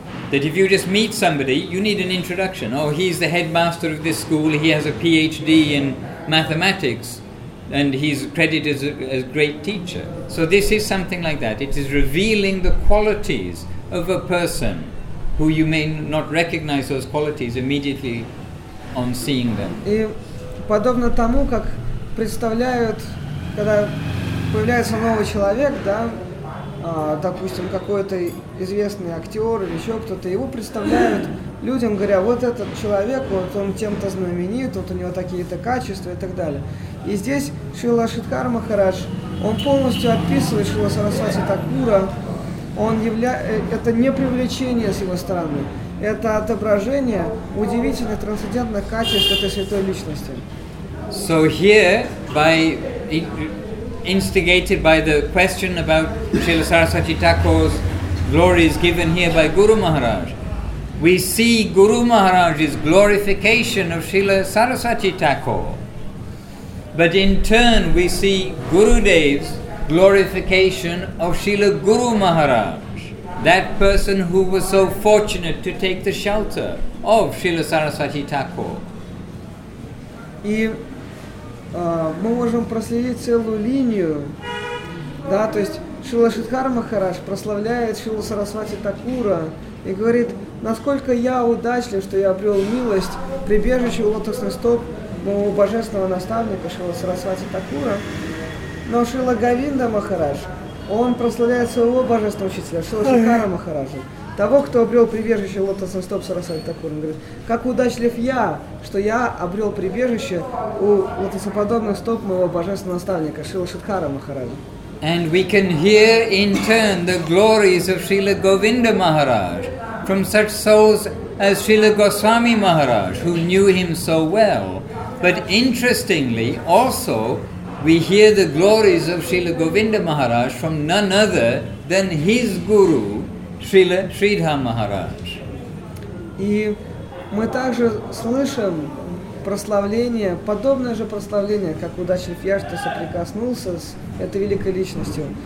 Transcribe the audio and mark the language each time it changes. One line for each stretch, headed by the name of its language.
English: that if you just meet somebody, you need an introduction. Oh, he's the headmaster of this school, he has a PhD in mathematics, and he's credited as a great teacher. So this is something like that. It is revealing the qualities of a person who you may not recognize those qualities immediately on seeing them.
Russian: И подобно тому, как представляют, когда появляется новый человек, да, допустим, какой-то известный актер или еще кто-то, его представляют людям, говоря, вот этот человек, вот он тем-то знаменит, вот у него такие-то качества и так далее. И здесь Шрила Шридхар Махарадж, он полностью описывает Шрила Сарасвати Такура, он это не привлечение с его стороны, это отображение удивительных трансцендентных качеств этой святой личности.
English: So here, by instigated by the question about Srila Saraswati Thakur's glories given here by Guru Maharaj, we see Guru Maharaj's glorification of Srila Saraswati Thakur. But in turn, we see Gurudev's glorification of Srila Guru Maharaj, that person who was so fortunate to take the shelter of Srila Saraswati Thakur.
Russian: Мы можем проследить целую линию, да, то есть Шрила Шридхар Махарадж прославляет Шрилу Сарасвати Такура и говорит, насколько я удачлив, что я обрел милость, прибежище у лотосных стоп моего божественного наставника Шрила Сарасвати Такура. Но Шрила Говинда Махарадж, он прославляет своего божественного учителя, Шрила Шридхара Махараджа, того, кто обрел прибежище у лотосных стоп Сарасвати Такура, он говорит, как удачлив я, что я обрел прибежище у лотосоподобных стоп моего божественного наставника Шрила Шридхара Махараджа.
English: And we can hear in turn the glories of Srila Govinda Maharaj from such souls as Srila Goswami Maharaj, who knew him so well. But interestingly, also, we hear the glories of Srila Govinda Maharaj from none other than his guru, Srila Sridhar Maharaj.
Russian: И мы также слышим прославление, подобное же прославление, как удачлив я, что соприкоснулся с этой великой личностью.